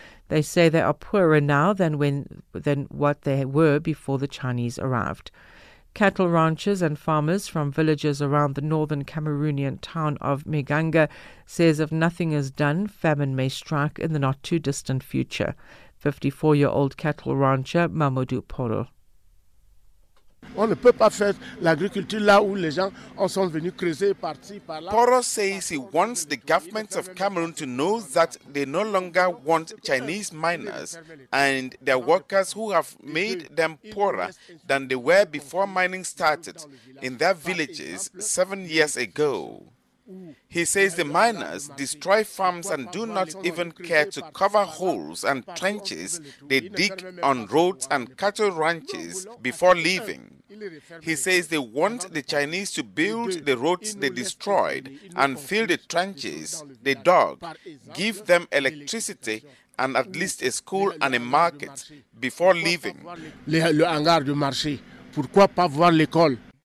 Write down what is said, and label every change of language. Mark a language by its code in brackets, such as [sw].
[en] They say they are poorer now than what they were before the Chinese arrived. Cattle ranchers and farmers from villages around the northern Cameroonian town of Meganga says if nothing is done, famine may strike in the not-too-distant future. 54-year-old cattle rancher Mamadou Poro. [fr] On ne peut pas faire l'agriculture là où les gens en sont venus creuser et partir par là. [en] Poro says he wants the government of Cameroon to know that they no longer want Chinese miners and their workers who have made them poorer than they were before mining started in their villages 7 years ago. He says the miners destroy farms and do not even care to cover holes and trenches they dig on roads and cattle ranches before leaving. He says they want the Chinese to build the roads they destroyed and fill the trenches they dug, give them electricity and at least a school and a market before leaving. [fr] Le hangar du marché, pourquoi pas voir l'école?